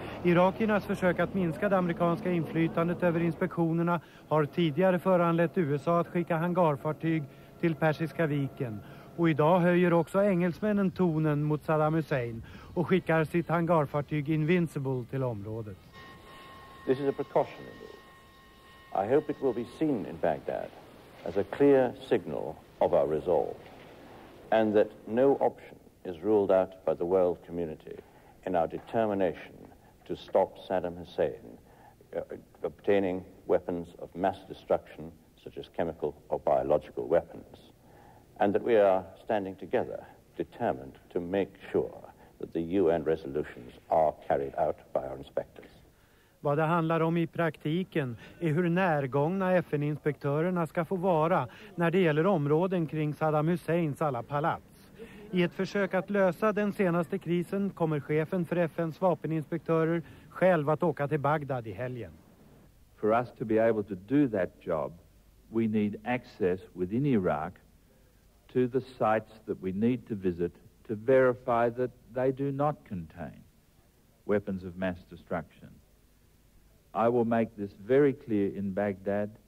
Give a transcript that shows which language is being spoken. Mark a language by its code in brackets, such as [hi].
[sv] Irakiernas försök att minska det amerikanska inflytandet över inspektionerna har tidigare föranlett USA att skicka hangarfartyg till Persiska viken. Och idag höjer också engelsmännen tonen mot Saddam Hussein och skickar sitt hangarfartyg Invincible till området. [en] This is a precautionary move. I hope it will be seen in Baghdad as a clear signal of our resolve and that no option is ruled out by the world community in our determination to stop Saddam Hussein obtaining weapons of mass destruction such as chemical or biological weapons and that we are standing together determined to make sure that the UN resolutions are carried out by our inspectors. [sv] Vad det handlar om i praktiken är hur närgångna FN-inspektörerna ska få vara när det gäller områden kring Saddam Husseins alla palats. I ett försök att lösa den senaste krisen kommer chefen för FN:s vapeninspektörer själv att åka till Bagdad i helgen. [en] For us to be able to do that job, we need access within Iraq to the sites that we need to visit to verify that they do not contain weapons of mass destruction. I will make this very clear in Baghdad.